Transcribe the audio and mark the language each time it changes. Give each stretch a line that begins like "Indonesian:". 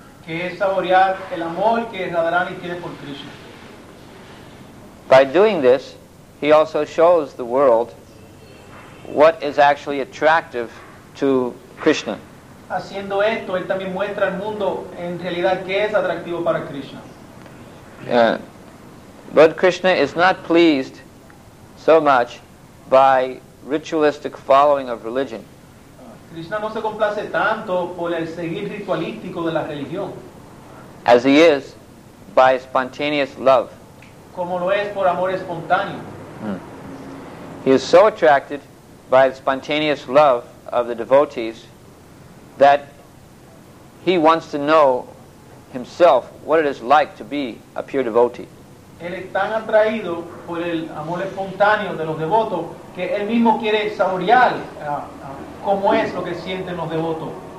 Spanish: Que es saborear el amor que Radharani tiene por Krishna.
English: By doing this, he also shows the world what is actually attractive to Krishna.
Spanish: Haciendo esto, él también muestra al mundo en realidad qué es atractivo para Krishna.
English: Lord Krishna is not pleased so much by ritualistic following of religion.
Spanish: Krishna no se complace tanto por el seguir ritualístico de la religión.
English: As he is by spontaneous love.
Spanish: Como lo es por amor espontáneo.
English: He is so attracted by the spontaneous love of the devotees that he wants to know himself what it is like to be a pure devotee.
Spanish: Él es tan atraído por el amor espontáneo de los devotos que él mismo quiere saborear cómo es lo que sienten los devotos.